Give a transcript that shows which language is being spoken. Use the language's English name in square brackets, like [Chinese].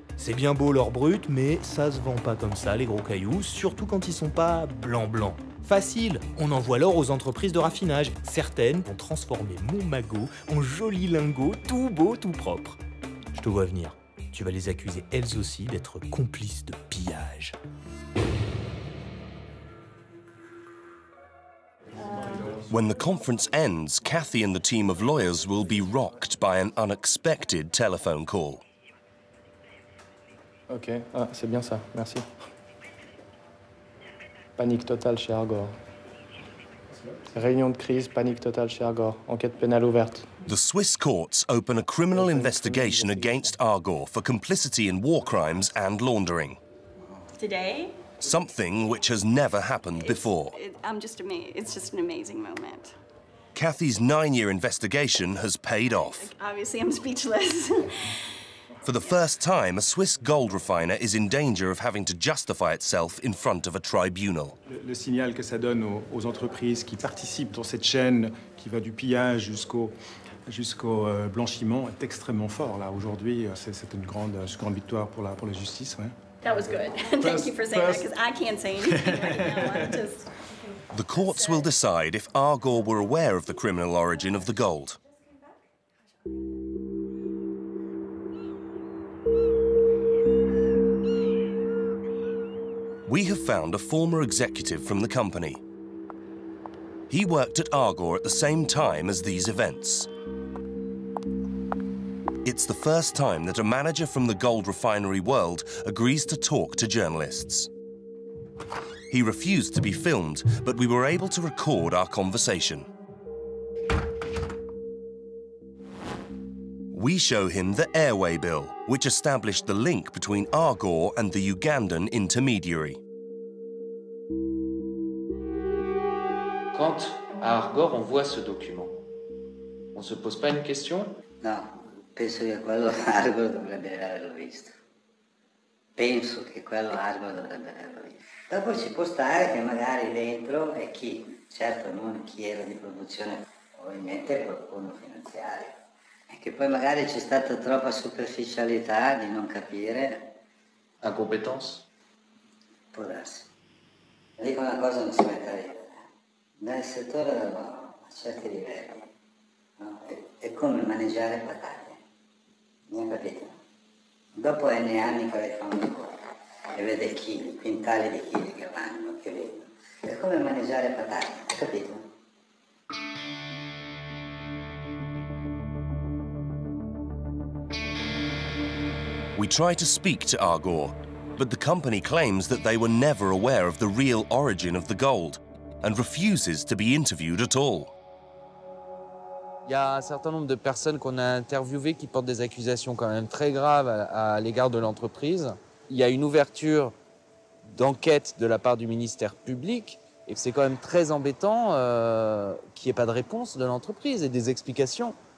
[French] C'est bien beau l'or brut, mais ça se vend pas comme ça, les gros cailloux, surtout quand ils sont pas blanc-blanc. Facile, on envoie l'or aux entreprises de raffinage. Certaines vont transformer mon magot en joli lingot, tout beau, tout propre. Je te vois venir. Tu vas les accuser, elles aussi, d'être complices de pillage. [English] When the conference ends, Kathy and the team of lawyers will be rocked by an unexpected telephone call. [French] Ok, ah, c'est bien ça, merci. Panique totale chez Argor. Réunion de crise, panique totale chez Argor. Enquête pénale ouverte. [English] The Swiss courts open a criminal investigation against Argor for complicity in war crimes and laundering. Today? Something which has never happened before. It's just an amazing moment. Kathy's 9-year investigation has paid off. Obviously, I'm speechless. For the first time, a Swiss gold refiner is in danger of having to justify itself in front of a tribunal. [French] Le signal que ça donne aux entreprises qui participent dans cette chaîne qui va du pillage jusqu'au blanchiment est extrêmement fort là aujourd'hui. C'est une grande victoire pour la justice. Ouais. [English] That was good. Thank you for saying that because I can't say anything right now. The courts will decide if Argor were aware of the criminal origin of the gold. We have found a former executive from the company. He worked at Argor at the same time as these events. It's the first time that a manager from the gold refinery world agrees to talk to journalists. He refused to be filmed, but we were able to record our conversation. We show him the airway bill, which established the link between Argor and the Ugandan intermediary. [French] Quand à Argor on voit ce document, on se pose pas une question? [Italian] Non, penso che quello Argor dovrebbe averlo visto. Penso che quello Argor dovrebbe averlo visto. Dopo ci può stare che magari dentro è chi, certo non chi era di produzione, ovviamente qualcuno finanziario. Che poi magari c'è stata troppa superficialità di non capire. [French] La competence? [Italian] Può darsi. Dico una cosa, non si mette a dire. Nel settore del lavoro, a certi livelli, no? È come maneggiare patate. Mi ha capito? Dopo N anni che fa un lavoro e vede i chili, quintali di chili che vanno, che vengono. È come maneggiare patate, hai capito? [English] We try to speak to Argor, but the company claims that they were never aware of the real origin of the gold and refuses to be interviewed at all. [French] Il y a un certain nombre de personnes qu'on a interviewées qui portent des accusations quand même très graves à l'égard de l'entreprise. Il y a une ouverture d'enquête de la part du ministère public et c'est quand même très embêtant qu'il n'y ait pas de réponse de l'entreprise et des explications.